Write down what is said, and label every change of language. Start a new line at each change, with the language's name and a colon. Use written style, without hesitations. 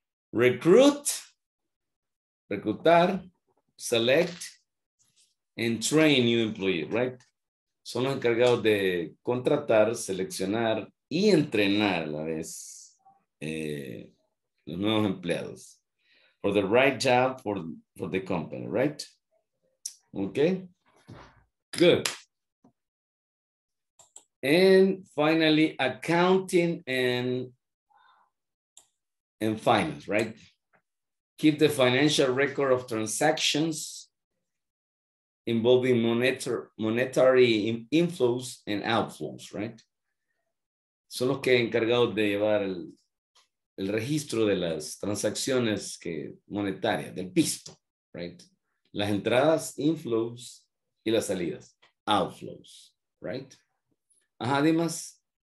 English: Recruit, reclutar, select, and train new employees, right?
Spanish: Son los encargados de contratar, seleccionar y entrenar a la vez los nuevos empleados.
English: For the right job for the company, right? Okay, good. And finally, accounting and finance, right? Keep the financial record of transactions involving monetary inflows and outflows, right?
Spanish: Son los que encargados de llevar el registro de las transacciones que monetarias, del pisto, right? Las entradas, inflows, y las salidas, outflows, right? Ajá, Dimas.